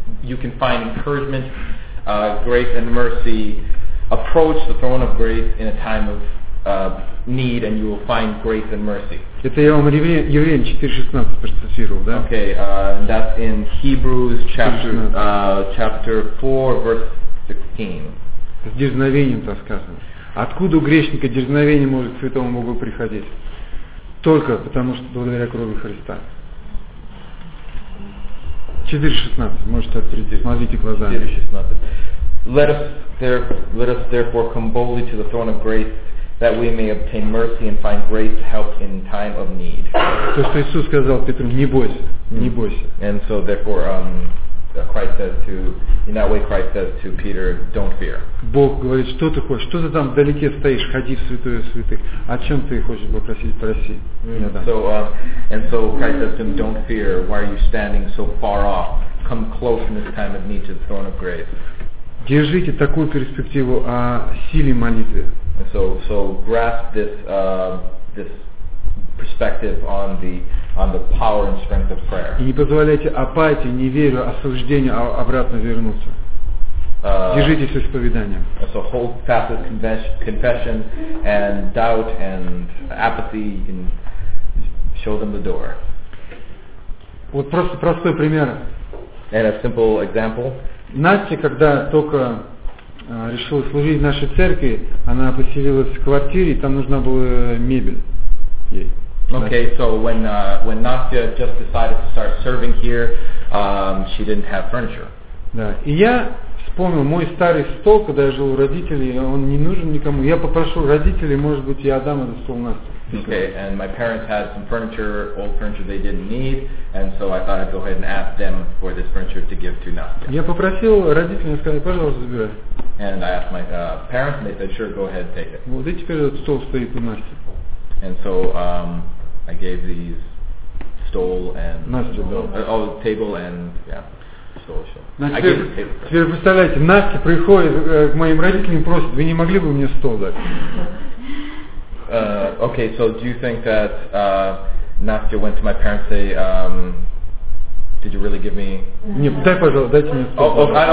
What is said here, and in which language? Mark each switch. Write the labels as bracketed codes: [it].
[en] You can find encouragement, grace and mercy. Approach the throne of grace in a time of need and you will find grace and mercy. [ru] Это я вам Евреям 4:16 процитировал, да? [en] Okay, and that's in Hebrews chapter chapter 4 verse 16. [ru] С дерзновением так сказано. Откуда у грешника дерзновение может к Святому Богу приходить? Только потому что благодаря крови Христа. 4:16, можете открыть. Смотрите глазами. 4:16. [en] Let us therefore come boldly to the throne of grace, that we may obtain mercy and find grace to help in time of need. [ru] То, что Иисус сказал Петру, не бойся, не бойся. [en] And so therefore, Christ says to, in that way Christ says to Peter, don't fear. [ru] Бог говорит, что ты хочешь, что ты там вдалеке стоишь, ходи в святое святых, о чем ты хочешь попросить, проси. [en] So Christ says to him, don't fear, why are you standing so far off, come close in this time of need to the throne of grace. [ru] Держите такую перспективу о силе молитвы. [en] So grasp this this perspective on the power and strength of prayer. [ru] И не позволяйте апатии, неверию, осуждению обратно вернуться. Держитесь исповеданием. [en] So hold fast with confession and doubt and apathy and show them the door. [ru] Вот просто простой пример. [en] And a simple example. [ru] Настя, когда только решила служить в нашей церкви, она поселилась в квартире, и там нужна была мебель ей. [en] Okay, so when Nastya just decided to start serving here, she didn't have furniture. [ru] Да, и я вспомнил мой старый стол, когда я жил у родителей, он не нужен никому. Я попрошу родителей, может быть, я отдам этот стол Насте. [en] Okay, and my parents had some furniture, old furniture they didn't need, and so I thought I'd go ahead and ask them for this furniture to give to Nastya. [ru] Я попросил родителей, сказали, пожалуйста, забирай. [en] And I asked my parents, and they said, sure, go ahead, take it. [ru] Вот и теперь этот стол стоит у Насти. [en] And so I gave these stole and table and [ru] Значит, теперь представляете, Настя приходит к моим родителям и просит, вы не могли бы мне стол дать? [en] Okay, so do you think that Nastya went to my parents and say, did you really give me? [ru] Не, дай пожалуйста, дайте мне стол.